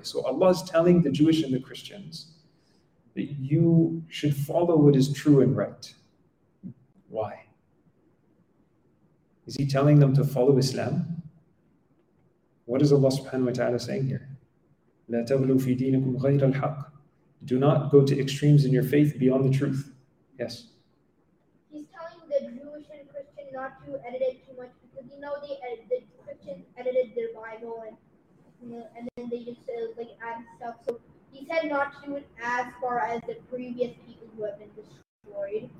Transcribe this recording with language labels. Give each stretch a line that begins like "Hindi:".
English: So Allah is telling the Jewish and the Christians that you should follow what is true and right. Why? Is he telling them to follow Islam? What is Allah subhanahu wa ta'ala saying here?
Arabic: لا تغلو في دينكم غير الحق.
English: Do not go to extremes in your faith beyond the truth. Yes. He's telling the Jewish and Christian not to edit it too much, because you know the Christians edited their Bible and then they just add stuff. So he said not to do it as far as the previous people who have been destroyed.